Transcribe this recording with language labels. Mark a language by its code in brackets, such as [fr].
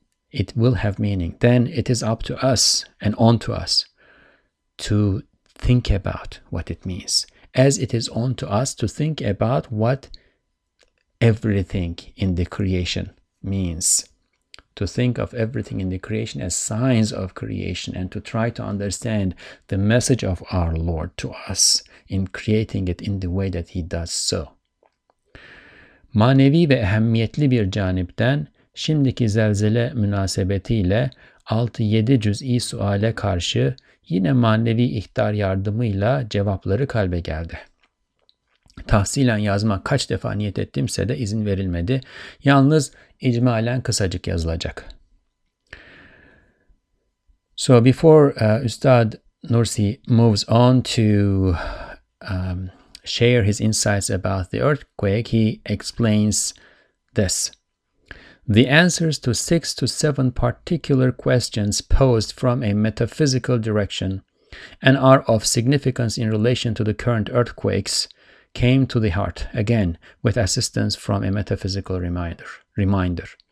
[en] It will have meaning. Then it is up to us and on to us to think about what it means, as it is on to us to think about what everything in the creation means to think of everything in the creation as signs of creation and to try to understand the message of our Lord to us in creating it in the way that he does so. [tr] Manevi ve ehemmiyetli bir canipten şimdiki zelzele münasebetiyle 6-7 cüz'i suale karşı yine manevi ihtar yardımıyla cevapları kalbe geldi. Tahsilen yazmak kaç defa niyet ettimse de izin verilmedi. Yalnız icmalen kısacık yazılacak. [en] So before Üstad Nursi moves on to share his insights about the earthquake, he explains this. The answers to 6 to 7 particular questions posed from a metaphysical direction and are of significance in relation to the current earthquakes came to the heart, again, with assistance from a metaphysical reminder.